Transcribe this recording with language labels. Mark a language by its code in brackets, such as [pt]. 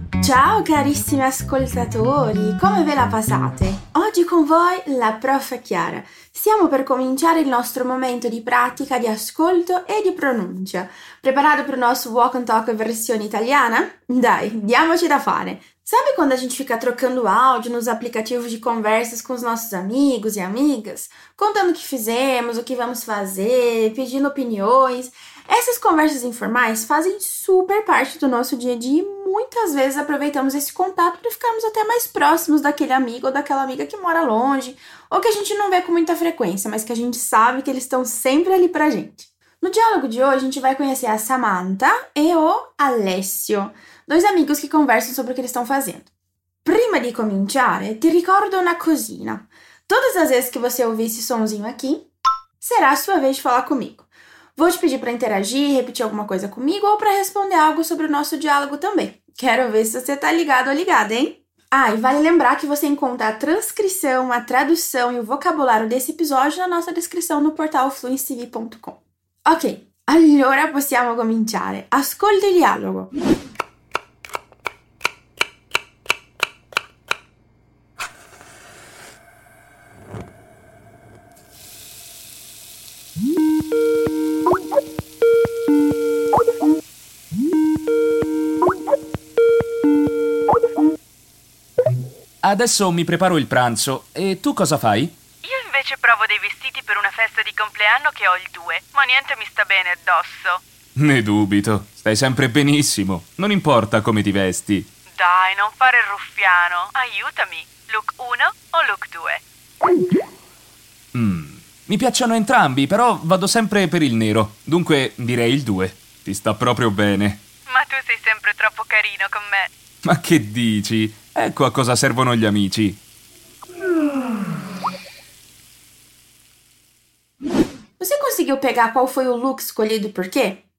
[it] Ciao carissimi ascoltatori, come ve la passate? Oggi con voi la prof Chiara. Stiamo per cominciare il nostro momento di pratica di ascolto e di pronuncia. Preparato per il nostro walk and talk versione italiana? Dai, diamoci da fare! [pt] Sabe quando a gente fica trocando áudio nos aplicativos de conversas com os nossos amigos e amigas? Contando o que fizemos, o que vamos fazer, pedindo opiniões. Essas conversas informais fazem super parte do nosso dia a dia e muitas vezes aproveitamos esse contato para ficarmos até mais próximos daquele amigo ou daquela amiga que mora longe ou que a gente não vê com muita frequência, mas que a gente sabe que eles estão sempre ali pra gente. No diálogo de hoje, a gente vai conhecer a Samantha e o Alessio. Dois amigos [it] che conversano sopra che stanno facendo. Prima di cominciare, ti ricordo una cosina. [pt] Todas as vezes che você ouvir esse sonzinho aqui, será a sua vez de falar comigo. Vou te pedir para interagir, repetir alguma coisa comigo ou para responder algo sobre o nosso diálogo também. Quero ver se você tá ligado ou ligada, hein? Ah, e vale lembrar que você encontra a transcrição, a tradução e o vocabulário desse episódio na nossa descrição no portal fluencytv.com. [it] Ok, allora possiamo cominciare. Ascolta il dialogo. Adesso mi preparo il pranzo. E tu cosa fai? Io invece provo dei vestiti per una festa di compleanno che ho il 2, ma niente mi sta bene addosso. Ne dubito. Stai sempre benissimo. Non importa come ti vesti. Dai, non fare il ruffiano. Aiutami. Look 1 o look 2? Mi piacciono entrambi, però vado sempre per il nero. Dunque, direi il 2. Ti sta proprio bene. Ma tu sei sempre troppo carino con me. Ma che dici? Ecco a cosa servono gli amici. [pt] Você conseguiu pegar qual foi o look escolhido e por quê?